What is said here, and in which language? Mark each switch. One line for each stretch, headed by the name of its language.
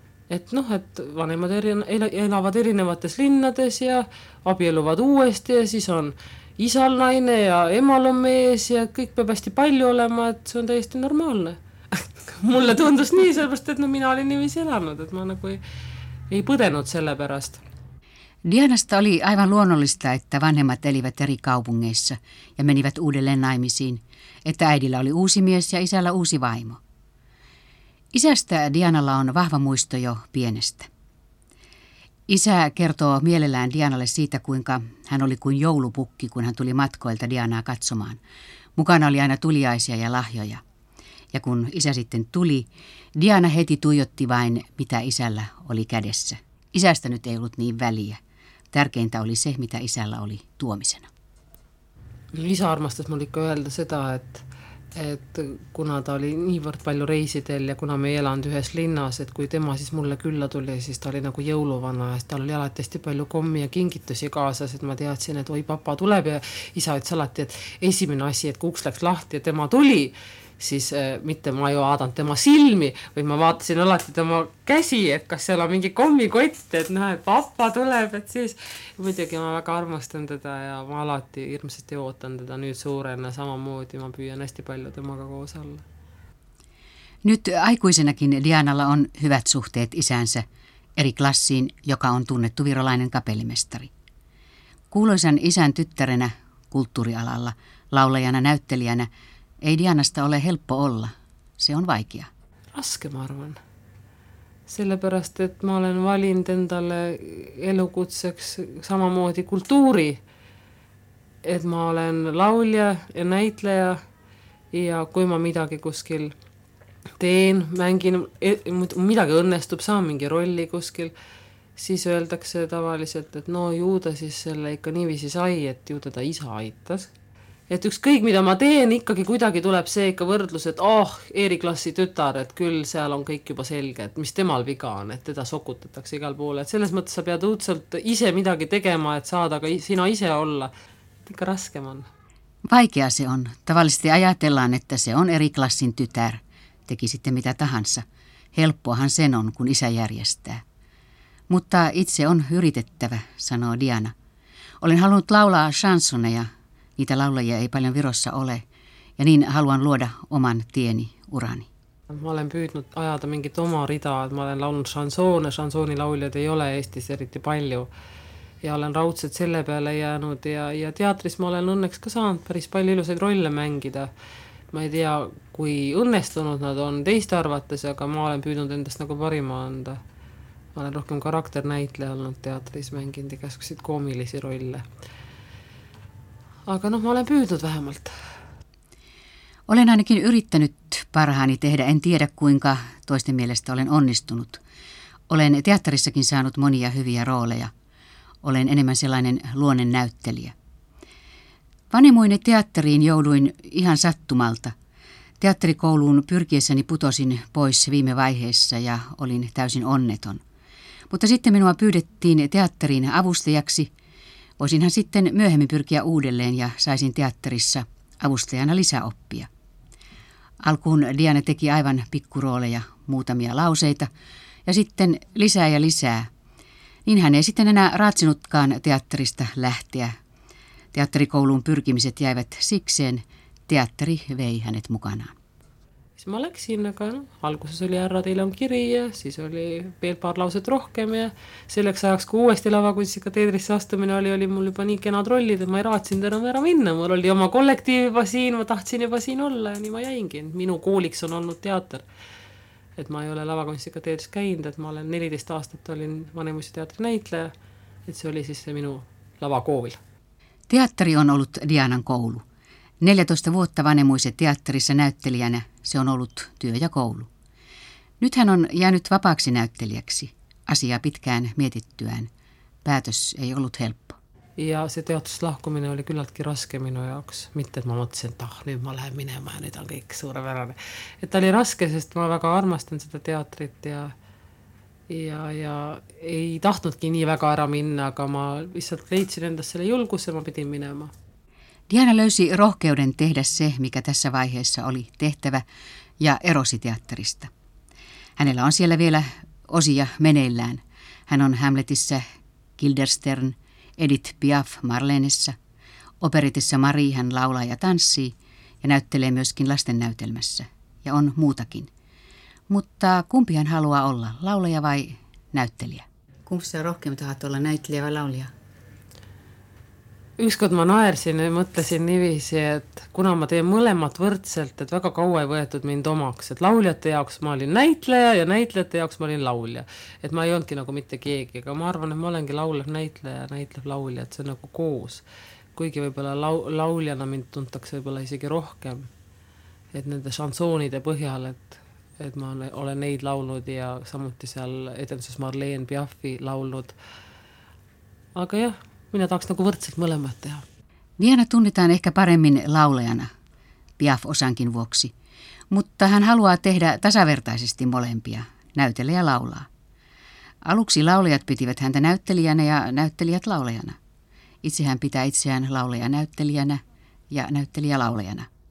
Estonian: Et noh, et vanemad elavad erinevates linnades ja abieluvad uuesti ja siis on isal naine ja emal on mees ja kõik peab hästi palju olema, et see on täiesti normaalne. Mulle tundus nii, sellepärast, et no mina olin niimoodi elanud, et ma nagu ei põdenud sellepärast.
Finnish: Dianasta oli aivan luonnollista, että vanhemmat elivät eri kaupungeissa ja menivät uudelleen naimisiin, että äidillä oli uusi mies ja isällä uusi vaimo. Isästä Dianalla on vahva muisto jo pienestä. Isä kertoo mielellään Dianalle siitä, kuinka hän oli kuin joulupukki, kun hän tuli matkoilta Dianaa katsomaan. Mukana oli aina tuliaisia ja lahjoja. Ja kun isä sitten tuli, Diana heti tuijotti vain, mitä isällä oli kädessä. Isästä nyt ei ollut niin väliä. Tärkeintä oli se, mitä isällä oli tuomisena.
Estonian: Isä armastas mulle ikka öelda seda, että kuna ta oli niivõrd palju reisidel ja kuna me ei elanud ühes linnas, et kui tema siis mulle külla tuli, siis ta oli nagu jõuluvana. Tal oli alati palju kommi ja kingitusi kaasas, et ma teadsin, et oi papa tuleb ja isa ütles alati, et esimene asi, et kui uks läks lahti ja tema tuli, siis mitte ma ei vaadanud tema silmi, või ma vaatasin alati tema käsi, et kas seal on mingi kommikott, et näe, pappa tuleb, et siis muidugi ma väga armastan teda ja ma alati hirmsasti ootan teda nüüd suurena samamoodi, ma püüan hästi palju temaga koos olla.
Finnish: Nyt aikuisenakin Dianalla on hyvät suhteet isänsä eri klassiin, joka on tunnettu virolainen kapellimestari. Kuuluisan isän tyttärenä kulttuurialalla, laulajana, näyttelijänä, ei Dianasta ole helppo olla. Se on vaikea.
Estonian: Raske, ma arvan. Sellepärast, et ma olen valinud endale elukutseks samamoodi kultuuri. Et ma olen laulja ja näitleja ja kui ma midagi kuskil teen, mängin, midagi õnnestub, saan mingi rolli kuskil, siis öeldakse tavaliselt, et no juuda siis selle ikka niivisi sai, et juuda ta isa aitas. Et üks kõik, mida ma teen, ikkagi kuidagi tuleb see ikka võrdlus, et oh, Eeri klassi tütar, et küll seal on kõik juba selge, et mis temal viga on, et teda sokutatakse igal poole. Et selles mõttes sa pead uudselt ise midagi tegema, et saada ka sina ise olla. Et ikka raskem on.
Finnish: Vaikea se on. Tavallisesti ajatellaan, että se on Eeri klassin tytär. Teki sitten mitä tahansa. Helppohan sen on, kun isä järjestää. Mutta itse on yritettävä, sanoo Diana. Olen halunnut laulaa chansoneja. Niitä laulajia ei paljon Virossa ole, ja niin haluan luoda oman tieni, urani.
Estonian: Ma olen püüdnud ajada mingit oma rida, et ma olen laulnud chansone, chansonilauljad ei ole Eestis eriti palju. Ja olen raudselt selle peale jäänud ja teatris ma olen õnneks ka saanud päris palju ilusaid rolle mängida. Ma ei tea, kui õnnestunud nad on teiste arvates, aga ma olen püüdnud endast nagu parima anda. Ma olen rohkem karakternäitleja olnud teatris mänginud ja käskusid koomilisi rolle. Aga noh, ma olen püüdnud vähemalt.
Finnish: Olen ainakin yrittänyt parhaani tehdä. En tiedä, kuinka toisten mielestä olen onnistunut. Olen teatterissakin saanut monia hyviä rooleja. Olen enemmän sellainen luonen näyttelijä. Vanemuine teatteriin jouduin ihan sattumalta. Teatterikouluun pyrkiessäni putosin pois viime vaiheessa ja olin täysin onneton. Mutta sitten minua pyydettiin teatteriin avustajaksi. Voisinhan sitten myöhemmin pyrkiä uudelleen ja saisin teatterissa avustajana lisäoppia. Alkuun Diana teki aivan pikkurooleja, muutamia lauseita, ja sitten lisää ja lisää. Niin hän ei sitten enää raatsinutkaan teatterista lähteä. Teatterikouluun pyrkimiset jäivät sikseen, teatteri vei hänet mukanaan.
Estonian: Mä läksin näkään. Alkuses oli ära teilan kirja, siis oli veel paar lauset rohkem ja selleks ajaks, kui uuesti lavakunstiga teedrisse astumine oli, oli mul juba nii kenad rollid, et ma ei raatsin enam ära minna. Mul oli oma kollektiiv juba siin, ma tahtsin juba siin olla ja nii ma jäingi. Minu kooliks on olnud teater, et ma ei ole lavakunstiga teedris käinud, et ma olen 14 aastat olin Vanemuise teatri näitleja, et see oli siis see minu lavakool.
Finnish: Teatteri on ollut Dianan koulu. 14 vuotta Vanemuisen teatterissa näyttelijänä se on ollut työ ja koulu. Nyt hän on jäänyt vapaaksi näyttelijäksi, asiaa pitkään mietittyään. Päätös ei ollut helppo.
Estonian: Ja se teatuslahkuminen oli kylläkin raske minu jaoks. Mitte, et ma mõtlesin, et ah, nüüd ma lähen minema ja nüüd on kõik suurepärane. Et ta oli raske, sest ma väga armastan seda teatrit ja ei tahtnudki nii väga ära minna, aga ma lihtsalt leidsin endas selle julguse, ma pidin minema.
Finnish: Diana löysi rohkeuden tehdä se, mikä tässä vaiheessa oli tehtävä, ja erosi teatterista. Hänellä on siellä vielä osia meneillään. Hän on Hamletissa Kilderstern, Edith Piaf Marlenessa, operetissa Marie hän laulaa ja tanssii, ja näyttelee myöskin lastennäytelmässä, ja on muutakin. Mutta kumpi hän haluaa olla, laulaja vai näyttelijä? Kumpi sä rohkeammin tahat olla, näyttelijä vai laulija?
Estonian: Ükskord ma naersin ja mõtlesin niiviisi, et kuna ma teen mõlemat võrdselt, et väga kaua ei võetud mind omaks. Et lauljate jaoks ma olin näitleja ja näitlejate jaoks ma olin laulja. Et ma ei olnudki nagu mitte keegi, aga ma arvan, et ma olengi laulev näitleja ja näitlev laulja, et see on nagu koos. Kuigi võibolla lauljana mind tuntakse võibolla isegi rohkem, et nende šansoonide põhjal, et ma olen neid laulnud ja samuti seal etenduses Marlene Piafi laulnud. Aga jah. Minä tahaks nagu võrdselt mõlemat teha.
Finnish: Diana tunnetaan ehkä paremmin laulajana, Piaf osankin vuoksi, mutta hän haluaa tehdä tasavertaisesti molempia, näytellä ja laulaa. Aluksi laulajat pitivät häntä näyttelijänä ja näyttelijät laulajana. Itse hän pitää itseään laulaja-näyttelijänä ja näyttelijä-laulajana.